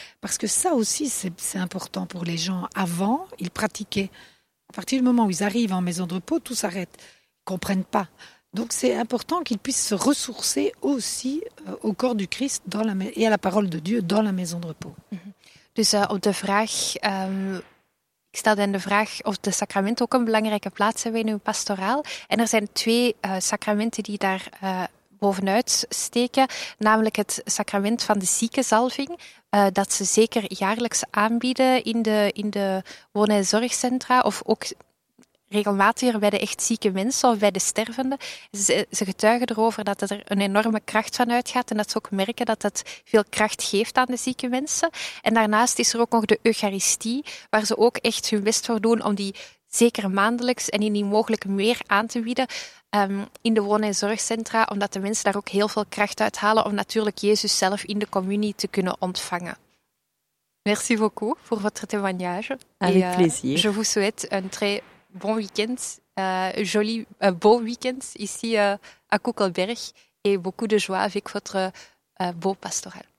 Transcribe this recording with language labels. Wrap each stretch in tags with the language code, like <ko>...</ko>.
<fr>Parce que ça aussi, c'est important pour les gens. Avant, ils pratiquaient. À partir du moment où ils arrivent en maison de repos, tout s'arrête. Ils ne comprennent pas. Donc c'est important qu'ils puissent se ressourcer aussi au corps du Christ et à la parole de Dieu dans la maison de repos.</fr> <nl>Dus op de vraag... Ik stelde in de vraag of de sacramenten ook een belangrijke plaats hebben in uw pastoraal. En er zijn twee sacramenten die daar bovenuit steken. Namelijk het sacrament van de ziekenzalving. Dat ze zeker jaarlijks aanbieden in de woon- en zorgcentra. Of ook regelmatiger bij de echt zieke mensen of bij de stervende. Ze getuigen erover dat er een enorme kracht van uitgaat. En dat ze ook merken dat het veel kracht geeft aan de zieke mensen. En daarnaast is er ook nog de Eucharistie, waar ze ook echt hun best voor doen om die zeker maandelijks en indien mogelijk meer aan te bieden in de woon- en zorgcentra. Omdat de mensen daar ook heel veel kracht uit halen om natuurlijk Jezus zelf in de communie te kunnen ontvangen.</nl> <fr>Merci beaucoup pour votre témoignage. Avec plaisir. Je vous souhaite un très... bon week-end, joli beau week-end ici à Koekelberg et beaucoup de joie avec votre beau pastoral.</fr>